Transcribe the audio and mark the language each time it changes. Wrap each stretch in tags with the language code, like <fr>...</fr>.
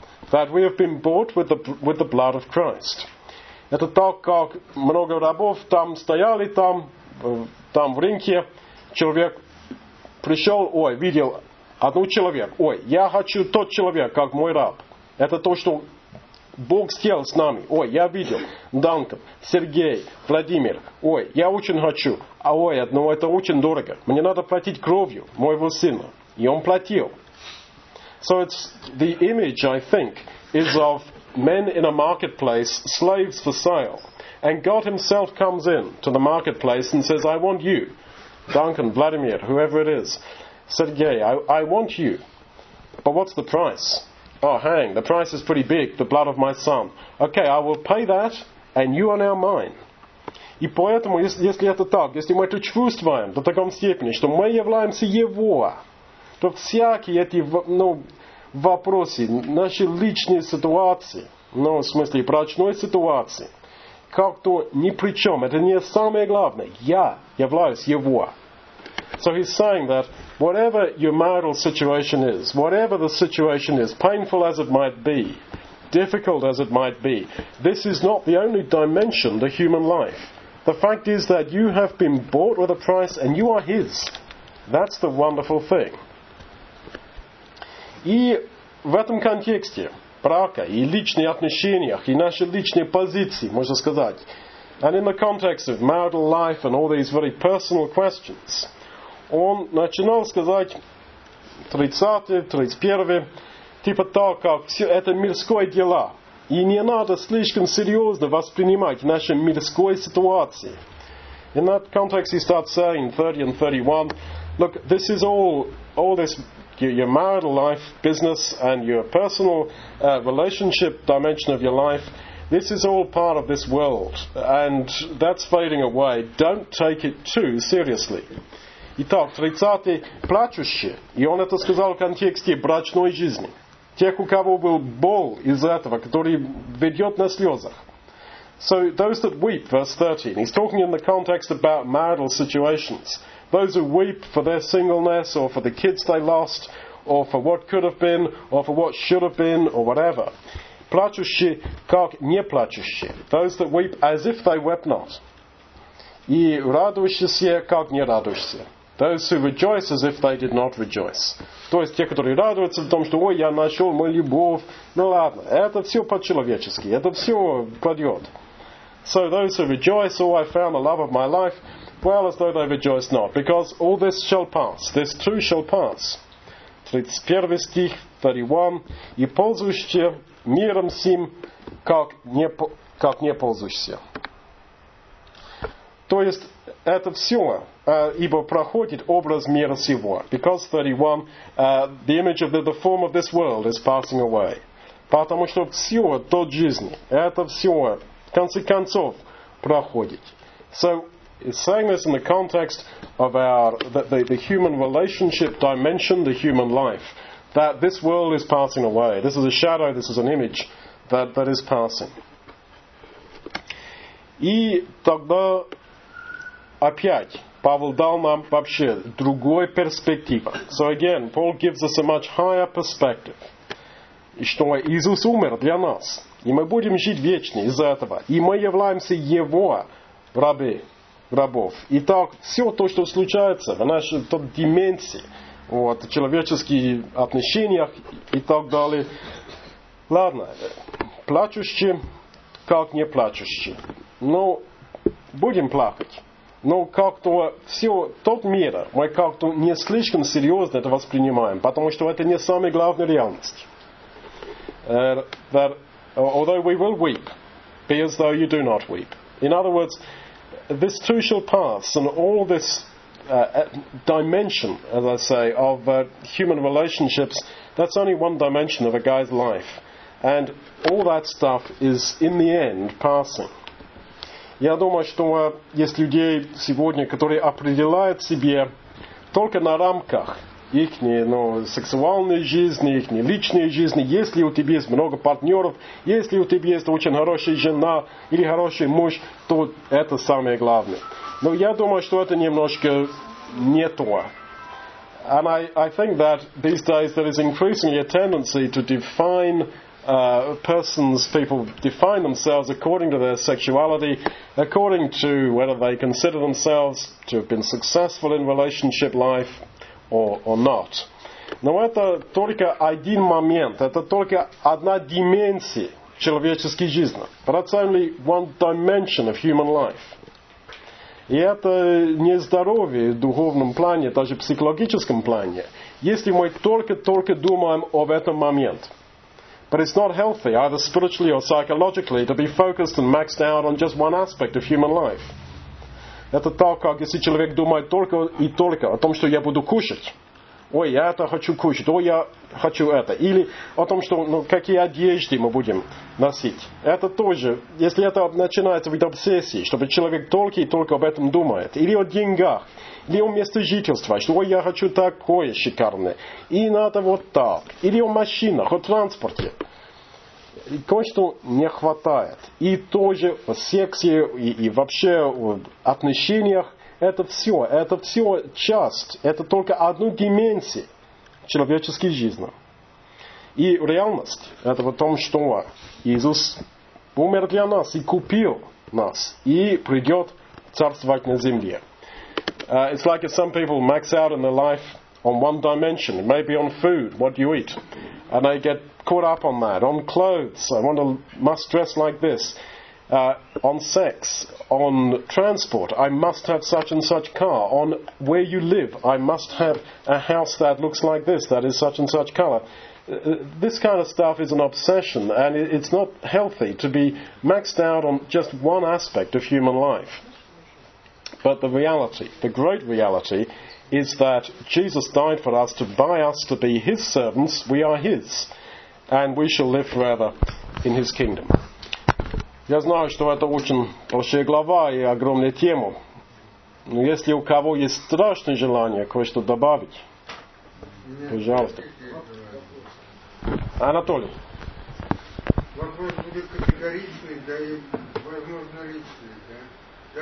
<en>That we have been bought with the blood of Christ.</en> <ru>Это так, как много рабов там стояли, там в рынке. Человек пришел, видел одну человек. Я хочу тот человек, как мой раб. Это то, что Бог сделал с нами. Я видел. Данков, Сергей, Владимир. Я очень хочу. Но это очень дорого. Мне надо платить кровью моего сына. И он платил.</ru> <en>So it's the image, I think, is of men in a marketplace, slaves for sale. And God himself comes in to the marketplace and says, I want you, Duncan, Vladimir, whoever it is, Sergei, I want you. But what's the price? Oh, hang, the price is pretty big, the blood of my son. Okay, I will pay that, and you are now mine.</en> <ru>И поэтому, если это так, если мы это чувствуем до такой степени, что мы являемся его, то всякие эти вопросы, наши личные ситуации, в смысле, брачной ситуации, как-то ни при чем, это не самое главное. Я являюсь его.</ru> <en>So he's saying that whatever your marital situation is, whatever the situation is, painful as it might be, difficult as it might be, this is not the only dimension to human life. The fact is that you have been bought with a price and you are his. That's the wonderful thing.</en> <ru>И в этом контексте брака и личных отношениях и наши личные позиции, можно сказать,</ru> <en>and in the context of marital life and all these very personal questions,</en> <ru>он начинал сказать 30-31 типа так, как все это мирское дела. И не надо слишком серьезно воспринимать наши мирской ситуации.</ru> <en>In that context he starts saying 30 and 31, look, this is all this your marital life business and your personal relationship dimension of your life, this is all part of this world. And that's fading away. Don't take it too seriously.</en> <ru>Итак, 30-й, плачущий, и он это сказал в контексте брачной жизни. Тех, у кого был бол из этого, который ведет на слезах.</ru> <en>So, those that weep, verse 13, he's talking in the context about marital situations. Those who weep for their singleness, or for the kids they lost, or for what could have been, or for what should have been, or whatever.</en> <ru>Плачущие, как не плачущие.</ru> <en>Those that weep as if they wept not.</en> <ru>И радующиеся, как не радующиеся.</ru> <en>Those who rejoice as if they did not rejoice.</en> <ru>То есть те, которые радуются в том, что «Ой, я нашел мою любовь». Ну ладно, это все по-человечески, это все пройдет.</ru> <en>So those who rejoice, oh, I found the love of my life, well, as though they rejoice not, because all this shall pass, this too shall pass.</en> <ru>31 стих, 31. «И ползущие миром сим, как не ползущие». То есть это все, ибо проходит образ мира сего.</ru> <en>Because 31, the image of the form of this world is passing away.</en> <ru>Потому что все до жизни, это все, в конце концов, проходит.</ru> <en>So, it's saying this in the context of our the human relationship dimension, the human life, that this world is passing away. This is a shadow, this is an image that is passing.</en> <ru>И тогда опять Павел дал нам вообще другой перспективу.</ru> <en>So again, Paul gives us a much higher perspective.</en> <ru>И что Иисус умер для нас. И мы будем жить вечно из-за этого. И мы являемся Его рабов. Итак, все то, что случается в нашей той дименции, человеческих отношениях и так далее. Ладно, плачущие, как не плачущие. Но будем плакать. Но как-то все тот мир, мы как-то не слишком серьезно это воспринимаем, потому что это не самая главная реальность.</ru> <en>That although we will weep, be as though you do not weep. In other words, this too shall pass, and all this dimension, as I say, of human relationships, that's only one dimension of a guy's life. And all that stuff is, in the end, passing.</en> <ru>Я думаю, что есть люди сегодня, которые определяют себе только на рамках их сексуальной жизни, их личной жизни, если у тебя есть много партнеров, если у тебя есть очень хорошая жена или хороший муж, то это самое главное. Но я думаю, что это немножко не то.</ru> <en>And I think that these days there is increasingly a tendency to define people define themselves according to their sexuality, according to whether they consider themselves to have been successful in relationship life or not.</en> <ru>Но это только один момент, это только одна дименция человеческой жизни.</ru> <en>But that's only one dimension of human life.</en> <ru>И это не здоровье в духовном плане, даже в психологическом плане, если мы только-только думаем об этом моменте.</ru> <en>But it's not healthy, either spiritually or psychologically, to be focused and maxed out on just one aspect of human life.</en> <ru>Это так, как если человек думает только и только о том, что я буду кушать. Ой, я это хочу кушать. Ой, я хочу это. Или о том, что, ну, какие одежды мы будем носить. Это тоже, если это начинается вид обсессии, чтобы человек только и только об этом думает. Или о деньгах. Или о месте жительства. Что, ой, я хочу такое шикарное. И надо вот так. Или о машинах, о транспорте. Кое-что не хватает. И тоже в сексе, и вообще в отношениях. Это все часть, это только одну дименсию человеческой жизни. И реальность, это в том, что Иисус умер для нас и купил нас, и придет царствовать на земле.</ru> <en>It's like if some people max out in their life on one dimension, maybe on food, what you eat, and they get caught up on that, on clothes, I want to must dress like this, on sex, on transport, I must have such and such car, on where you live, I must have a house that looks like this, that is such and such color. This kind of stuff is an obsession, and it's not healthy to be maxed out on just one aspect of human life. But the reality, the great reality, is that Jesus died for us to buy us to be his servants. We are his. And we shall live forever in his kingdom.</en> <ru>Я знаю, что это очень большая глава и огромная тема. Но если у кого есть страшное желание кое-что добавить, пожалуйста. Анатолий. Вопрос будет категоричный, да и возможно личный. Да?</ru>